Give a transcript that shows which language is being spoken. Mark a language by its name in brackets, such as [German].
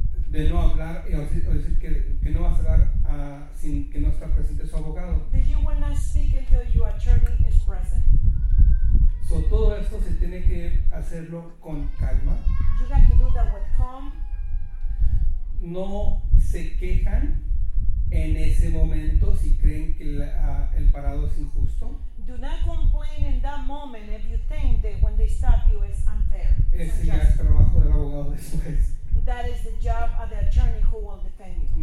[Spanish] De no hablar y decir que no vas a hablar sin que no está presente su abogado. [English] That you will not speak until your attorney is present. [Spanish] So todo esto se tiene que hacerlo con calma. [English] You have to do that with calm. [Spanish] No se quejan en ese momento si creen que el parado es injusto. [English] Do not complain in that moment if you think that when they stop you it's unfair. [Spanish] Ese ya es trabajo del abogado después. [English] That is the job of the attorney who will defend you.